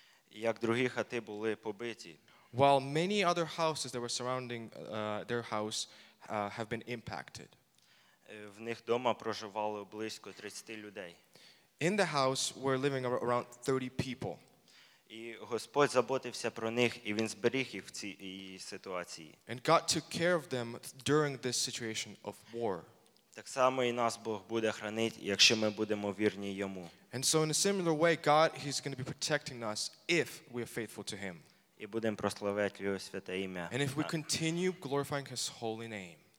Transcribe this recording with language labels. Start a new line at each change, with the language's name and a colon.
Ukrainian: Як другі хати були побиті.
English: While many other houses that were surrounding their house have been impacted.
Ukrainian: В них дома проживало близько 30 людей.
English: In the house were living around 30 people.
Ukrainian: І Господь заботився про них, і він зберіг їх в цій ситуації.
English: And God took care of them during this situation of war.
Ukrainian: Так само і нас Бог буде хранити, якщо ми будемо вірні йому.
English: And so in a similar way, God, he's going to be protecting us if we are faithful to him.
Ukrainian: І будемо прославляти його святе ім'я.
English: And if we continue glorifying his holy name.